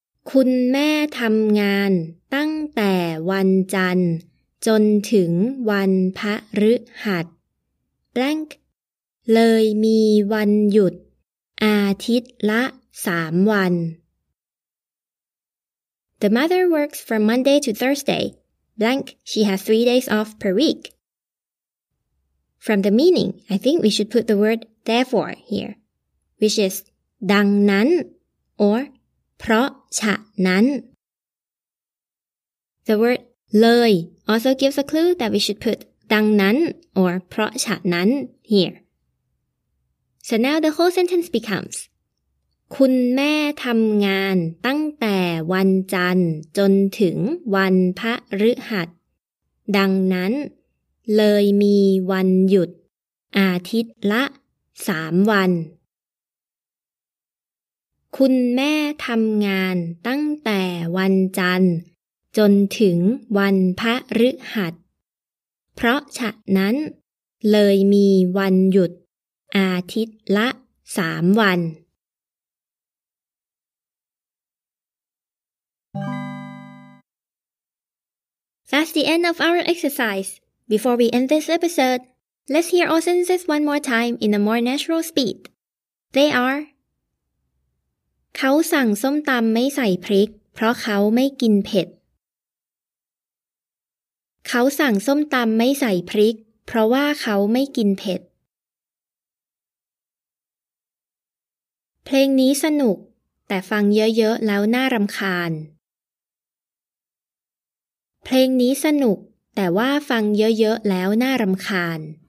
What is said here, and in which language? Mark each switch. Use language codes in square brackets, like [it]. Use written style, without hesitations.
[th] คุณแม่ทำงานตั้งแต่วันจันทร์จนถึงวันพระฤหัส blank เลยมีวันหยุดอาทิตย์ละ3วัน [en] The mother works from Monday to Thursday blank she has 3 days off per week From the meaning I think we should put the word therefore here which is [th] ดังนั้น or เพราะฉะนั้น [en] The wordเลย also gives a clue that we should put ดังนั้น or เพราะฉะนั้น here. So now the whole sentence becomes [th] คุณแม่ทำงานตั้งแต่วันจันทร์จนถึงวันพระฤหัสดังนั้นเลยมีวันหยุดอาทิตย์ละ3วันคุณแม่ทำงานตั้งแต่วันจันทร์จนถึงวันพระฤหัสเพราะฉะนั้นเลยมีวันหยุดอาทิตย์ละ3วัน [en] That's the end of our exercise. Before we end this episode, let's hear all sentences one more time in a more natural speed. They are [th] เขาสั่งส้มตำไม่ใส่พริกเพราะเขาไม่กินเผ็ดเขาสั่งส้มตำไม่ใส่พริกเพราะว่าเขาไม่กินเผ็ดเพลงนี้สนุกแต่ฟังเยอะๆแล้วน่ารำคาญเพลงนี้สนุกแต่ว่าฟังเยอะๆแล้วน่ารำคาญ